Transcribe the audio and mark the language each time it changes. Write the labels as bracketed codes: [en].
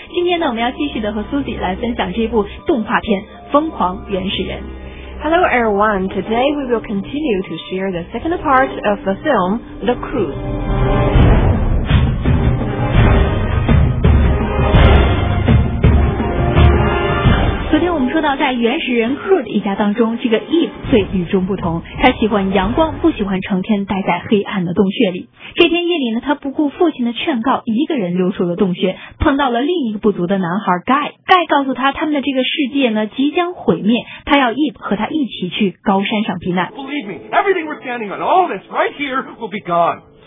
[zh] 今天呢，我们要继续的和 Susie 来分享这部动画片《疯狂原始人》。 [en] Hello everyone, today we will continue to share the second part of the film, The Crew. [zh] 在原始人 crew 的一家当中，这个 Eve 最与众不同，他喜欢阳光，不喜欢成天待在黑暗的洞穴里。这天夜里呢，他不顾父亲的劝告，一个人溜出了洞穴，碰到了另一个部族的男孩 Guy。 Guy 告诉他，他们的这个世界呢即将毁灭，他要 Eve 和他一起去高山上避难。 [en] Believe me, everything we're standing on, all this right here will be gone.